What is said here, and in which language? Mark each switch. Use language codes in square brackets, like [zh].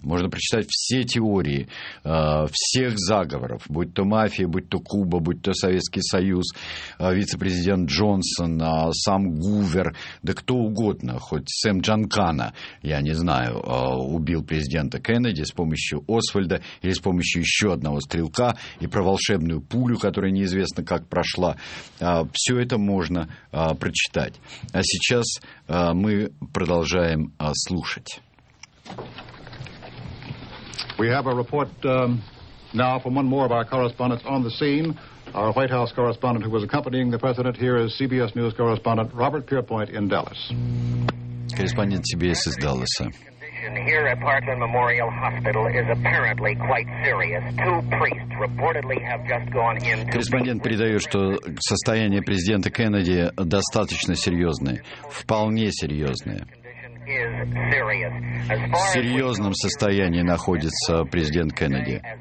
[ru] Можно прочитать все теории, всех заговоров, будь то мафия, будь то Куба, будь то Советский Союз, вице-президент Джонсон, сам Гувер, да кто угодно, хоть Сэм Джанкана, я не знаю, убил президента Кеннеди с помощью Освальда или с помощью еще одного стрелка, и про волшебную пулю, которая неизвестна, как прошла, все это можно прочитать. А сейчас мы продолжаем слушать. [en] We have a report now from one more of our correspondents on the scene. Our White House correspondent, who was accompanying the president here, is CBS News correspondent Robert Pierpoint in Dallas. [ru] Корреспондент CBS из Далласа. [en] Here at Parkland Memorial Hospital is apparently quite serious. Two priests reportedly have just gone in. [ru] Корреспондент передает, что состояние президента Кеннеди достаточно серьезное, вполне серьезное. В серьезном состоянии находится президент Кеннеди.